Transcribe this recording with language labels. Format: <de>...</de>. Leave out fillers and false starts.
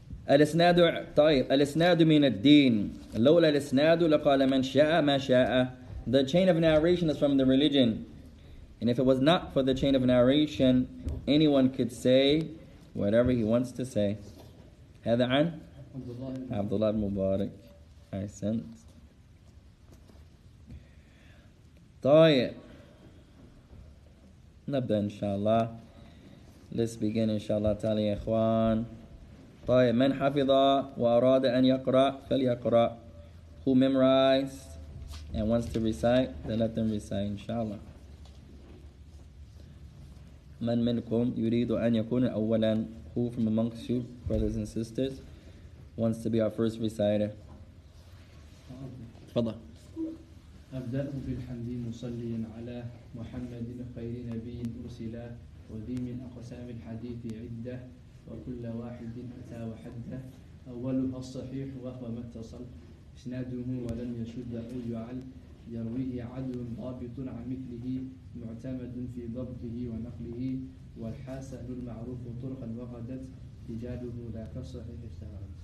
<ar>الاسناد طيب الاسناد من الدين. لولا الاسناد لقال من شاء ما شاء.</ar> <en>The chain of narration is from the religion. And if it was not for the chain of narration, anyone could say whatever he wants to say.</en> <ar>هذا عن عبد الله المبارك.</ar> <en>I sent.</en> <ar>طيب. نبدأ إن شاء الله.</ar> <en>Let's begin</en> <ar>إن شاء الله تعالى يا إخوان. طيب. من حفظ وأراد أن يقرأ فليقرأ.</ar> <en>Who memorized and wants to recite, then let them recite</en> <ar>إن شاء الله. من منكم يريد أن يكون أولا.</ar> <en>Who from amongst you, brothers and sisters, wants to be our first reciter?</en> <ar>أبدأ بالحمد مصليا على محمد خير نبي أرسلا وذي من أقسام الحديث عدة وكل واحد أتى وحده أوله الصحيح وهو ما اتصل إسناده ولم يشد أو يعل يرويه عدل ضابط عن مثله معتمد في ضبطه ونقله والحاسن المعروف طرقا وقدت رجاله لا كالصحيح اشتهر.</ar>